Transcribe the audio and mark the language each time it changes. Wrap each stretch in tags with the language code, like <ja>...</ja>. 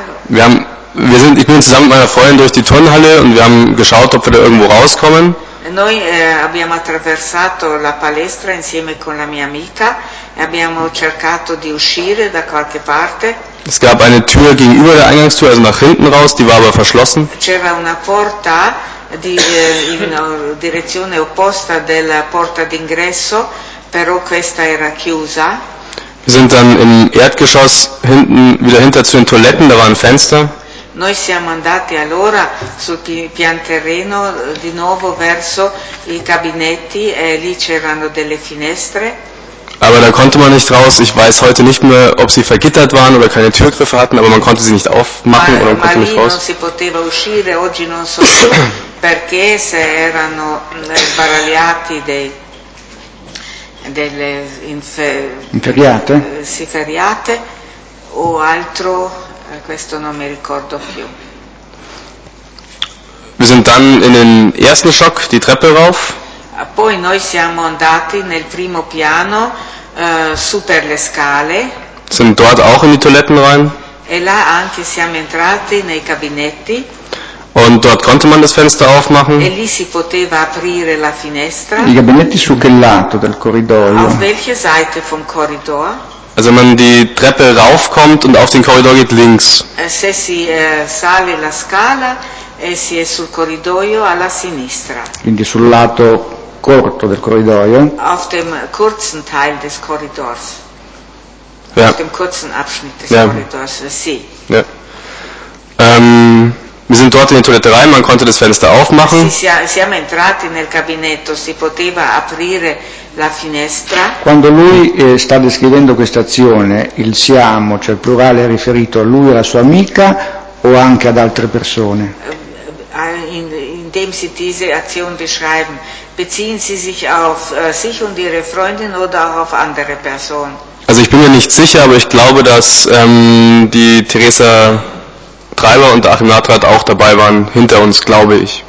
<de>Wir sind, ich bin zusammen mit meiner Freundin durch die Turnhalle und wir haben geschaut, ob wir da irgendwo rauskommen.</de> <it>Noi abbiamo attraversato la palestra insieme con la mia amica e abbiamo cercato di uscire da qualche parte.</it> <de>Es gab eine Tür gegenüber der Eingangstür, also nach hinten raus, die war aber verschlossen.</de> <it>C'era una porta di in direzione opposta della porta d'ingresso, però questa era chiusa.</it> <de>Wir sind dann im Erdgeschoss hinten wieder hinter zu den Toiletten, da waren Fenster.</de> <it>Noi siamo andati allora sul pian terreno di nuovo verso i gabinetti e lì c'erano delle finestre.</it> <de>Aber da konnte man nicht raus. Ich weiß heute nicht mehr, ob sie vergittert waren oder keine Türgriffe hatten, aber man konnte sie nicht aufmachen oder konnte nicht raus.</de> <it>Ma lì non si poteva uscire, oggi non so più perché se erano sbaragliati delle inferriate. Si ferriate o altro. Questo non mi ricordo più.</it> <de>Wir sind dann in den ersten Stock, die Treppe rauf.</de> <it>Poi noi siamo andati nel primo piano, su per le scale.</it> <de>Sind dort auch in die Toiletten rein.</de> <it>E là anche siamo entrati nei gabinetti.</it> <de>Und dort konnte man das Fenster aufmachen.</de> <it>E lì si poteva aprire la finestra. I gabinetti su che lato del corridoio?</it> <de>Auf welche Seite vom Korridor? Also wenn man die Treppe raufkommt und auf den Korridor geht, links.</de> <it>Se si sale la scala e si è sul corridoio alla sinistra. Quindi sul lato corto del corridoio.</it> <de>Auf dem kurzen Teil des Korridors. Ja. Auf dem kurzen Abschnitt des Korridors, sì. Ja. Wir sind dort in die Toilette rein, man konnte das Fenster aufmachen.</de> <it>Siamo entrati nel gabinetto, si poteva aprire la finestra. Quando lui sta descrivendo questa azione, il siamo, cioè il plurale, è riferito a lui e alla sua amica o anche ad altre persone?</it> <de>Indem Sie diese Aktion beschreiben, beziehen Sie sich auf sich und Ihre Freundin oder auch auf andere Personen? Also ich bin mir nicht sicher, aber ich glaube, dass die Teresa Treiber und Achim Nathrat auch dabei waren, hinter uns, glaube ich.</de>